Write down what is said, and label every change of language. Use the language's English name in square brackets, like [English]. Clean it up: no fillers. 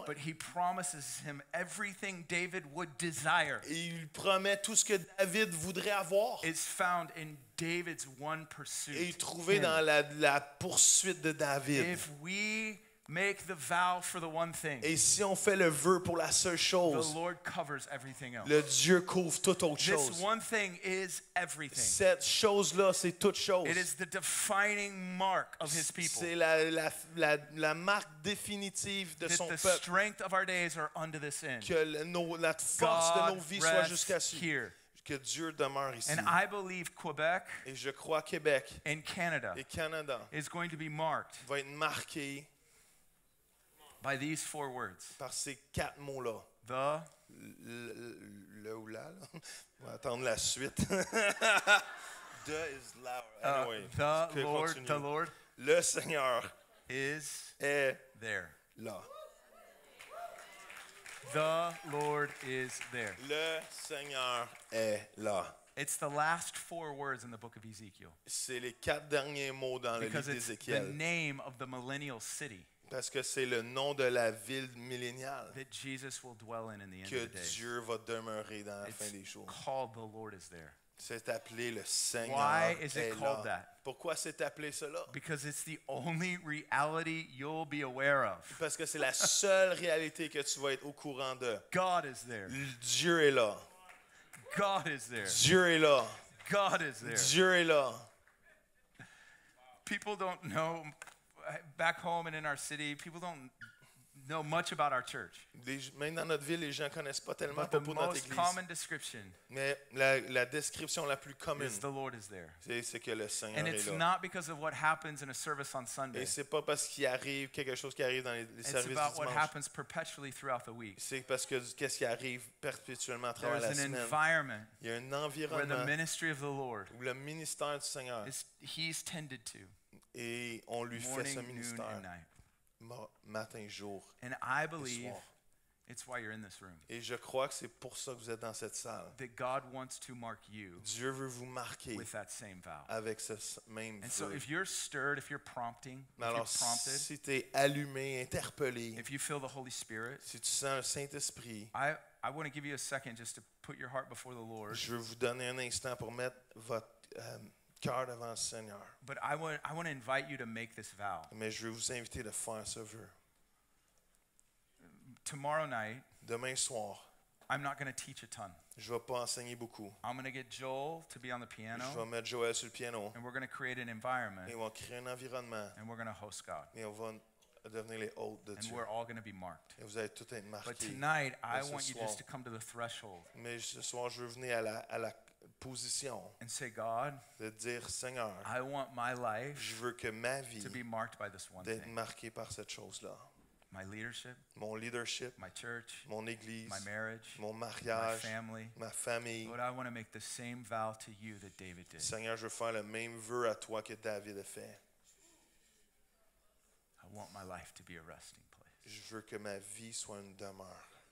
[English] but he promises him everything David would desire. [French] Et il promet tout ce que David voudrait avoir. [English] It's found in David's one pursuit. [French] Et trouvé dans la poursuite de David. [English] If we make the vow for the one thing. [French] Et si on fait le vœu pour la seule chose, [English] the Lord covers everything else. [French] Le Dieu couvre toute autre chose. [English] This one thing is everything. [French] Cette chose-là, c'est toute chose. [English] It is the defining mark of his people. [French] C'est la marque définitive de son peuple. [English] That the strength of our days are unto this end. [French] Que notre force [English] God [French] de nos vies soit jusqu'à ce. [English] Here. [French] que Dieu demeure ici. [English] And I believe Quebec, [French] et je crois Québec, [English] and Canada, [French] et Canada [English] is going to be marked, [French] va être marqué, [English] by these four words. [French] Par ces quatre mots-là. [English] The. [French] Le ou la. On va attendre la suite. [English] The is louder. [French] Anyway, [English] the Lord. Continue. The Lord. [French] Le Seigneur [English] is. [French] Est [English] there. [French] Là. [English] The Lord is there. [French] Le Seigneur est là. [English] It's the last four words in the book of Ezekiel. [French] C'est les quatre derniers mots dans le livre d'Ézéchiel. [English] Because it's the name of the millennial city. [French] Parce que c'est le nom de la ville milléniale. [English] That Jesus will dwell in the end [French] que [English] of the day. [French] Dieu va demeurer dans la fin des jours. [English] It's called the Lord is there. [French] C'est appelé le Seigneur. [English] Why is it called that? [French] Pourquoi c'est appelé cela? [English] Because it's the only reality you'll be aware of. [French] Parce que c'est la seule réalité que tu vas être au courant de. [English] God is there. [French] Dieu est là. [English] God is there. [French] Dieu est là. [English] God is there. [French] Dieu est là. [English] People don't know back home and in our city, people don't know much about our church. [French] Même dans notre ville, les gens connaissent pas tellement pour notre église. [English] The most common description. [French] Mais la description la plus commune. [English] The Lord is there. [French] C'est que le Seigneur est là. [English] And it's not because of what happens in a service on Sunday. [French] Et c'est pas parce qu'il arrive quelque chose qui arrive dans les services du dimanche. [English] It's about what happens perpetually throughout the week. [French] C'est parce que qu'est-ce qui arrive perpétuellement à travers la semaine. [English] There's an environment. [French] Il y a un environnement. [English] Where the ministry of the Lord. [French] Où le ministère du Seigneur. [English] He's tended to. [French] Et on lui [English] morning, [French] fait ce ministère. [English] Noon, and night. [French] Matin, jour, [English] and I believe it's why you're in this room. [French] Et je crois que c'est pour ça que vous êtes dans cette salle. [English] That God wants to mark you. [French] Dieu veut vous marquer [English] with that same vow. [French] Avec ce même [English] vœu. And so, if you're stirred, if you're prompting, [French] alors, [English] if you're prompted, [French] si t'es allumé, interpellé, [English] if you feel the Holy Spirit, [French] si tu sens le Saint-Esprit, [English] I want to give you a second just to put your heart before the Lord. [French] Je veux vous donner un instant pour mettre votre cœur devant le Seigneur. [English] But I want to invite you to make this vow. [French] Mais je veux vous inviter de faire ce vœu. [English] Tomorrow night. [French] Demain soir. [English] I'm not going to teach a ton. [French] Je vais pas enseigner beaucoup. [English] I'm going to get Joel to be on the piano. [French] Je vais mettre Joel sur le piano. [English] And we're going to create an environment. [French] Et on va créer un environnement. [English] And we're going to host God. [French] Et on va devenir les hôtes de [English] and [French] Dieu. [English] And we're all going to be marked. [French] Et vous allez tout être marqués. [English] But tonight, I want you just to come to the threshold. [French] Mais ce soir, je veux venir à la position. [English] And say, God, [French] de dire, Seigneur, [English] I want my life [French] je veux que ma vie [English] to be marked by this one [French] d'être [English] thing. [French] Marqué par cette chose-là. [English] My leadership, [French] mon leadership, [English] my church, [French] mon église, [English] my marriage, [French] mon mariage, [English] my family, [French] ma famille. [English] Lord, I want to make the same vow to you that David did. [French] Seigneur, je veux faire le même vœu à toi que David a fait. [English] I want my life to be a resting place. [French] Je veux que ma vie soit une demeure.